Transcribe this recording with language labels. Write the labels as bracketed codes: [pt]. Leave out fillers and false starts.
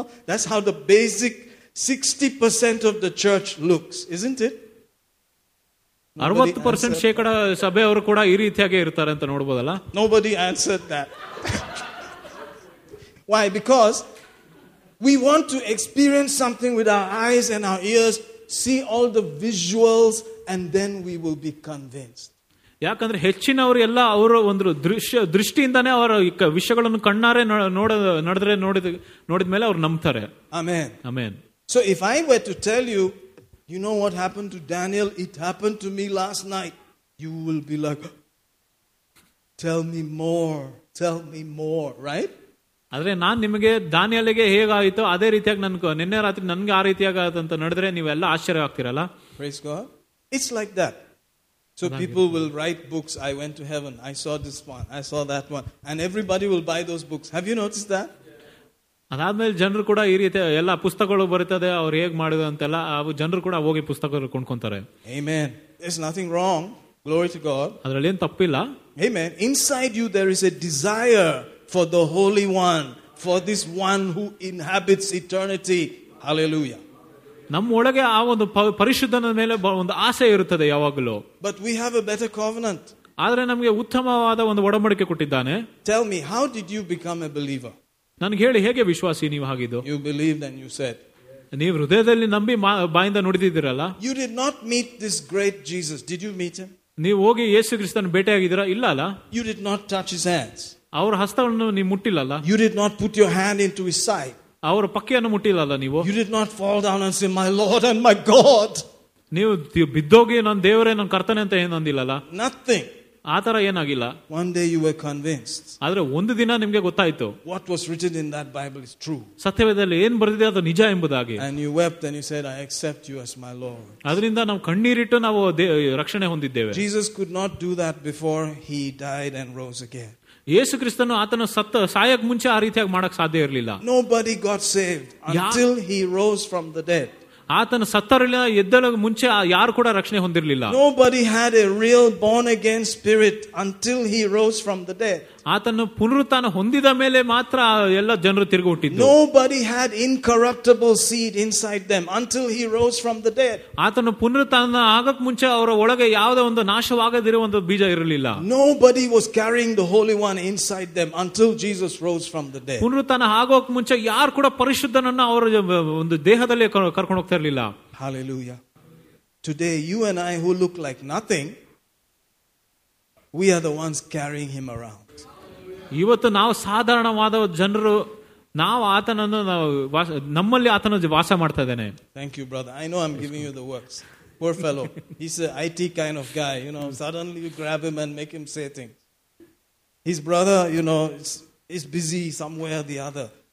[en] That's how the basic 60% of the church looks, isn't it? [kn] 60% ಶೇಕಡ ಸಭೆಯವರು ಕೂಡ ಈ ರೀತಿಯಾಗಿ ಇರ್ತಾರೆ ಅಂತ ನೋಡಬಹುದಲ್ಲ. [en] Nobody answered that. Why? Because we want to experience something with our eyes and our ears, see all the visuals, and then we will be convinced. [kn] ಯಾಕಂದ್ರೆ ಹೆಚ್ಚಿನವರು ಎಲ್ಲ ಅವರು ಒಂದು ದೃಷ್ಟಿಯಿಂದಾನೇ ಅವರ ವಿಷಯಗಳನ್ನು ಕಣ್ಣಾರೆ ನೋಡಿದ್ಮೇಲೆ ಅವ್ರು ನಂಬುತ್ತಾರೆ. [en] Amen. Amen. So if I were to tell you, you know what happened to Daniel? It happened to me last night. You will be like, tell me more. Tell me more, right? [kn] ಆದ್ರೆ ನಾನ್ ನಿಮಗೆ ದಾನಿಯಲ್ಲಿಗೆ ಹೇಗಾಯಿತು ಅದೇ ರೀತಿಯಾಗಿ ನನ್ಗೆ ನಿನ್ನೆ ರಾತ್ರಿ ನನ್ಗೆ ಆ ರೀತಿಯಾಗಂತ ನಡೆದ್ರೆ ನೀವೆಲ್ಲ ಆಶ್ಚರ್ಯ ಆಗ್ತಿರಲ್ಲ. [en] Praise God. It's like that. So people will write books. I went to heaven. I saw this one. I saw that one. And everybody will buy those books. Have you noticed that? [kn] ಅದಾದ್ಮೇಲೆ ಜನರು ಕೂಡ ಈ ರೀತಿ ಎಲ್ಲ ಪುಸ್ತಕಗಳು ಬರುತ್ತದೆ ಅವ್ರು ಹೇಗೆ ಮಾಡಿದ ಅಂತೆಲ್ಲ ಜನರು ಕೂಡ ಹೋಗಿ ಪುಸ್ತಕಗಳು ಕೊಂಡ್ಕೊಂತಾರೆ. [en] Amen. There's nothing wrong. Glory to God. [kn] ಅದರಲ್ಲಿ ಏನ್ ತಪ್ಪಿಲ್ಲ. [en] Amen. Inside you there is a desire for the Holy One, for this one who inhabits eternity. Hallelujah. [kn] ನಮ್ಮೊಳಗೆ ಆ ಒಂದು ಪರಿಶುದ್ಧನ ಮೇಲೆ ಒಂದು ಆಸೆ ಇರುತ್ತದೆ ಯಾವಾಗಲೂ. [en] But we have a better covenant. [kn] ಆದ್ರೆ ನಮಗೆ ಉತ್ತಮವಾದ ಒಂದು ಒಡಂಬಡಿಕೆ ಕೊಟ್ಟಿದ್ದಾನೆ. [en] Tell me, how did you become a believer? [kn] ನನಗೆ ಹೇಳಿ ಹೇಗೆ ವಿಶ್ವಾಸಿ ನೀವು ಆಗಿದ್ದು? [en] You believed and you said. [kn] ನೀವು ಹೃದಯದಲ್ಲಿ ನಂಬಿ ಬಾಯಿಂದ ನುಡಿದಿದ್ದೀರಲ್ಲ. [en] You did not meet this great Jesus. Did you meet him? [kn] ನೀವು ಹೋಗಿ ಯೇಸು ಕ್ರಿಸ್ತನ ಭೇಟಿಯಾಗಿದ್ದೀರಾ? ಇಲ್ಲ ಅಲ್ಲ. [en] You did not touch his hands. [kn] ಅವರ ಹಸ್ತವನ್ನು ನೀವು ಮುಟ್ಟಿಲ್ಲಲ್ಲ. [en] You did not put your hand into his side. [kn] ಅವರ ಪಕ್ಕೆಯನ್ನು ಮುಟ್ಟಿಲ್ಲಲ್ಲ ನೀವು. [en] You did not fall down and say, my Lord and my God. [kn] ನೀವು ಬಿದ್ದೋಗಿ ನನ್ನ ದೇವರೇ ನನ್ನ ಕರ್ತನೆ ಅಂತ ಏನಂದಿಲ್ಲಲ್ಲ. [en] Nothing. [kn] ಆತರ ಏನಾಗಿಲ್ಲ. [en] One day you were convinced. [kn] ಆದ್ರೆ ಒಂದು ದಿನ ನಿಮಗೆ ಗೊತ್ತಾಯ್ತು. [en] What was written in that Bible is true. [kn] ಸತ್ಯವೇದದಲ್ಲಿ ಏನು ಬರೆದಿದೆ ಅದು ನಿಜ ಎಂಬುದಾಗಿ. [en] And you wept and you said, I accept you as my Lord. [kn] ಅದರಿಂದ ನಾವು ಕಣ್ಣೀರಿಟ್ಟು ನಾವು ರಕ್ಷಣೆ ಹೊಂದಿದ್ದೇವೆ. [en] Jesus could not do that before he died and rose again. [kn] ಯೇಸು ಕ್ರಿಸ್ತನು ಆತನ ಸತ್ತ ಸಾಯಕ್ ಮುಂಚೆ ಆ ರೀತಿಯಾಗಿ ಮಾಡಕ್ ಸಾಧ್ಯ ಇರಲಿಲ್ಲ. [en] Nobody got saved until he rose from the dead. [kn] ಆತನ ಸತ್ತರಲ್ಲ ಎದ್ದಲ ಮುಂಚೆ ಯಾರು ಕೂಡ ರಕ್ಷಣೆ ಹೊಂದಿರಲಿಲ್ಲ. [en] Nobody had a real born again spirit until he rose from the dead. [kn] ಆತನ ಪುನರುತ್ಥಾನ ಹೊಂದಿದ ಮೇಲೆ ಮಾತ್ರ ಎಲ್ಲ ಜನರು ತಿರುಗಿ ಹುಟ್ಟಿದ್ರು. [en] Nobody had incorruptible seed inside them until he rose from the dead. [kn] ಆತನ ಪುನರುತ್ಥಾನ ಆಗಕ್ ಮುಂಚೆ ಅವರ ಒಳಗೆ ಯಾವುದೇ ಒಂದು ನಾಶವಾಗದಿರೋ ಒಂದು ಬೀಜ ಇರಲಿಲ್ಲ. [en] Nobody was carrying the Holy One inside them until Jesus rose from the dead. [kn] ಪುನರುತ್ಥಾನ ಆಗೋಕ್ ಮುಂಚೆ ಯಾರು ಕೂಡ ಪರಿಶುದ್ಧನನ್ನು ಅವರ ಒಂದು ದೇಹದಲ್ಲಿ ಕರ್ಕೊಂಡು ಹೋಗ್ತಾ ಇರಲಿಲ್ಲ. [en] Hallelujah. Today you and I who look like nothing, we are the ones carrying him around. [kn] ಇವತ್ತು ನಾವು ಸಾಧಾರಣವಾದ ಜನರು ನಾವು ಆತನನ್ನು ನಮ್ಮಲ್ಲಿ ಆತನ ವಾಸ ಮಾಡ್ತಾ ಇದ್ದೇನೆ. [en] Thank you brother. I know I am giving you the works. Poor fellow, he's a IT kind of guy. You know, suddenly you grab him and make him say thing. His brother you know is busy somewhere the other.